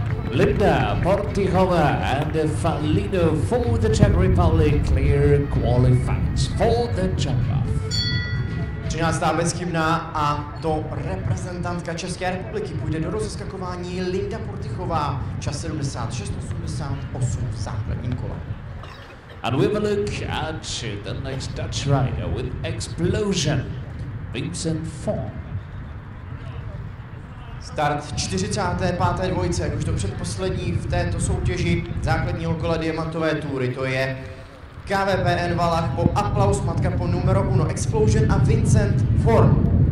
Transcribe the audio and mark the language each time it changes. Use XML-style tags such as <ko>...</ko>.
<en>Linda, Portihova and Falino for the Czech Republic clear qualifiers for the jump-off.</en> <cs>13. Bezchybná a to reprezentantka České republiky půjde do rozeskakování Linda Portihova. Čas 76.88 v základním kole.</cs> <en>And we have a look at the next Dutch rider with explosion, Vincent Form. Start 45.</en> <cs>dvojice, jak už to předposlední v této soutěži základního kola diamantové túry, to je KVPN Valach po aplaus, matka po numero 1, Explosion a Vincent Form.</cs>